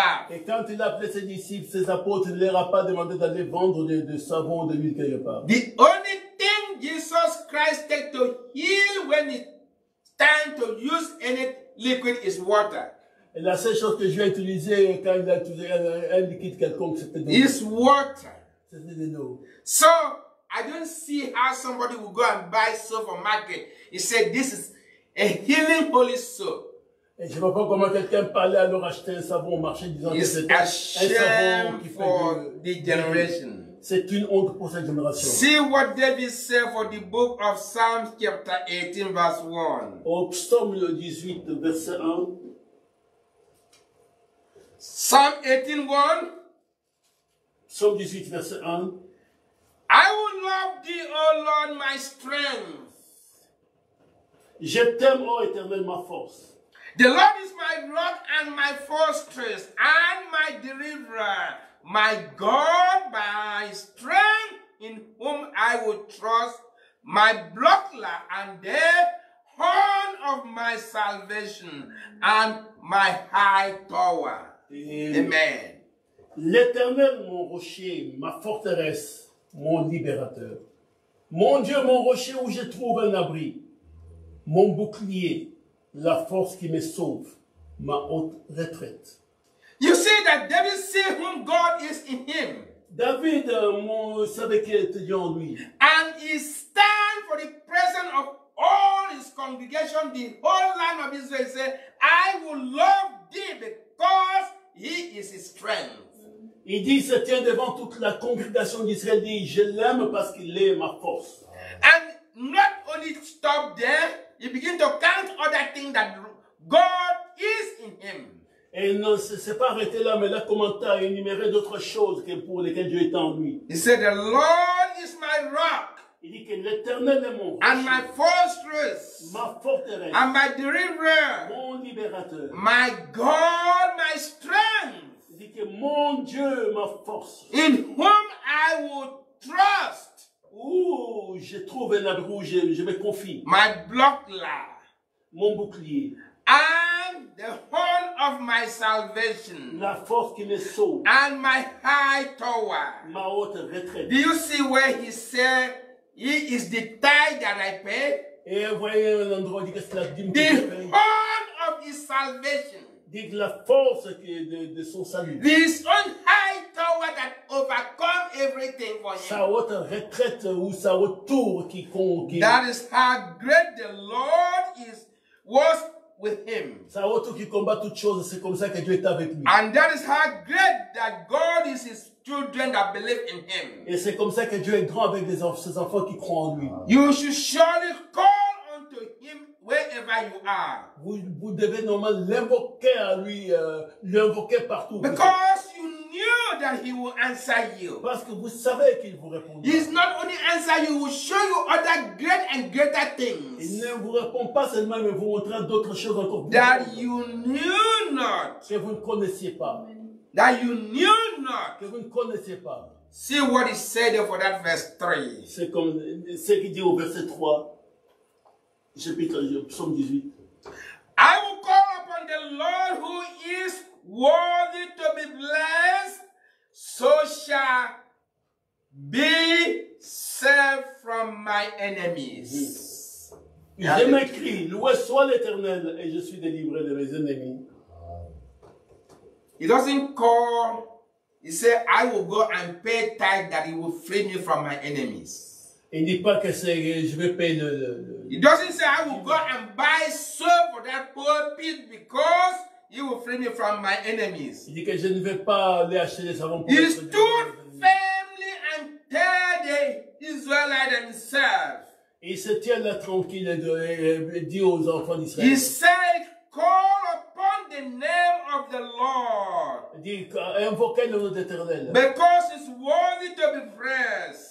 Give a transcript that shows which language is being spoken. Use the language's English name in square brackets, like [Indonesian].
[French] Et quand il a appelé ses disciples, ses apôtres, il ne leur a pas demandé d'aller vendre de savon ou de l'huile quelque part. [English] The only thing Jesus Christ takes to heal when it's time to use any liquid is water. [French] Et la seule chose que Jésus a utilisé quand il a utilisé un liquide quelconque, c'était de l'eau. [English] Is water. [French] C'était de l'eau. [English] So, I don't see how somebody will go and buy soap on market. He said, this is a healing holy soap. [French] Et je ne vois pas comment quelqu'un parlait à leur acheter un savon au marché disant [English] it's [French] que c'est un savon qui fait [English] the generation. [French] C'est une honte pour cette génération. [English] See what David said for the book of Psalms chapter 18 verse 1. [French] Au psaume 18 verset 1. [English] Psalm 18 1. [French] Psaume 18 verset 1. [English] I will love thee, O Lord, my strength. [French] Je t'aime, ô Éternel, ma force. [English] The Lord is my rock and my fortress and my deliverer, my God, my strength in whom I will trust, my buckler and the horn of my salvation and my high tower. Amen. [French] L'Éternel, mon rocher, ma forteresse, mon libérateur. Mon Dieu, mon rocher où je trouve un abri, mon bouclier. La force qui me sauve, ma haute retraite. [English] You see that David see whom God is in him. [French] David savait qu'il était Dieu en lui. [English] And he stand for the presence of all his congregation, the whole land of Israel. Say, I will love thee because he is his strength. [French] Il dit, se tient devant toute la congrégation d'Israël, dit, je l'aime parce qu'il est ma force. [English] And not only stop there. He begins to count other things that God is in him. [French] Et il ne s'est pas arrêté là, mais là, commentait à énumérer d'autres choses pour lesquelles Dieu est en lui. [English] He said, the Lord is my rock. [French] Il dit que l'Éternel est mon rocher. [English] And my fortress. [French] Ma forteresse. [English] And my deliverer. [French] Mon libérateur. [English] My God, my strength. [French] Il dit que mon Dieu, ma force. [English] In whom I will trust. [French] Ouh, je trouve un abri où je me confie. [English] My buckler. [French] Mon bouclier. [English] And the horn of my salvation. [French] La force qui me sauve. [English] And my high tower. [French] Ma haute retraite. [English] Do you see where he said he is the tithe that I pay? [French] Et voyez l'endroit où dit que c'est la dîme que je paye. [English] The horn of his salvation. [French] Dit la force qui est de son salut. [English] This own high tower that overcomes everything for him. [French] Sa haute retraite ou sa haute tour qui conquiert. [English] That is how great the Lord is was. With him. [French] Ça veut tout qui combat toutes choses, c'est comme ça que Dieu est avec lui. [English] And that is how great that God is his children that believe in him. [French] Et c'est comme ça que Dieu est grand avec ses enfants qui croient en lui. [English] You should surely call unto him wherever you are. [French] Vous devez normalement l'invoquer à lui, l'invoquer partout. [English] Because you knew that he will answer you. [French] Parce que vous savez qu'il vous répondra. [English] He's not only answer you, he will show you other great and greater things. [French] Il ne vous répond pas seulement, mais vous montrera d'autres choses encore. [English] That you knew not. [French] Que vous ne connaissiez pas. [English] That you knew not. [French] Que vous ne connaissiez pas. [English] See what he said for that verse 3. [French] C'est comme ce qu'il dit au verset 3. Chapitre, psaume 18. [English] I will call upon the Lord who is worthy to be blessed, so shall be saved from my enemies. [French] Je m'écris, loué soit l'Éternel et je suis délivré de mes ennemis. [English] He doesn't call. He said, I will go and pay tithe that he will free me from my enemies. [French] Il ne dit pas que c'est, je vais payer le. [English] He doesn't say I will go and buy soap for that poor pig because he will free me from my enemies. [French] Il dit que je ne vais pas aller acheter des savons. [English] He stood firmly and tied the Israelites himself. [French] Il se tient là tranquille et dit aux enfants d'Israël. [English] He said, call upon the name of the Lord. [French] Il dit, invoquez le nom de l'Éternel. [English] Because he's worthy to be praised.